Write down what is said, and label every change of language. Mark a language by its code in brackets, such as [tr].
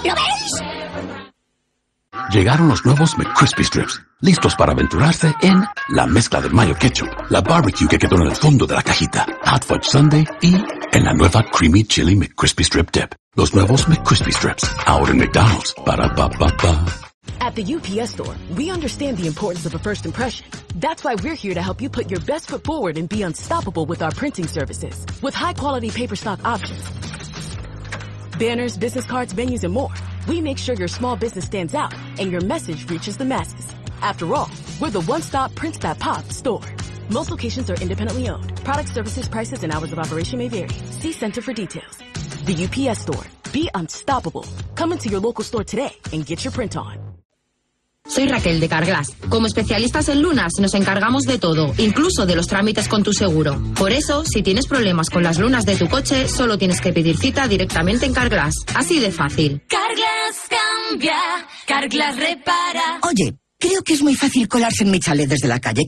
[es] ¿Lo veis? Llegaron los nuevos McCrispy Strips. Listos para aventurarse en la mezcla de mayo ketchup, la barbecue que quedó en el fondo de la cajita, Hot Fudge Sundae y en la nueva Creamy Chili McCrispy Strip Dip. Los nuevos McCrispy Strips, ahora en McDonald's. Ba-da-ba-ba-ba. [en] At the UPS store, we understand the importance of a first impression. That's why we're here to help you put your best foot forward and be unstoppable with our printing services. With high-quality paper stock options, banners, business cards, venues, and more, we make sure your small business stands out and your message reaches the masses. After all, we're the one-stop print that pop store. Most locations are independently owned. Product services, prices, and hours of operation may vary. See center for details. The UPS store. Be unstoppable. Come into your local store today and get your print on. [es] Soy Raquel de Carglass. Como especialistas en lunas, nos encargamos de todo, incluso de los trámites con tu seguro. Por eso, si tienes problemas con las lunas de tu coche, solo tienes que pedir cita directamente en Carglass. Así de fácil. Carglass cambia, Carglass repara. Oye, creo que es muy fácil colarse en mi chalet desde la calle.